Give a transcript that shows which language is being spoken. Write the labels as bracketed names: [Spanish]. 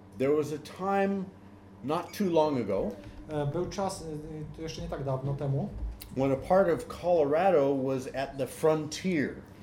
[English] there was a time not too long ago, [Polish] był czas jeszcze nie tak dawno temu, [English] when a part of Colorado was at the frontier.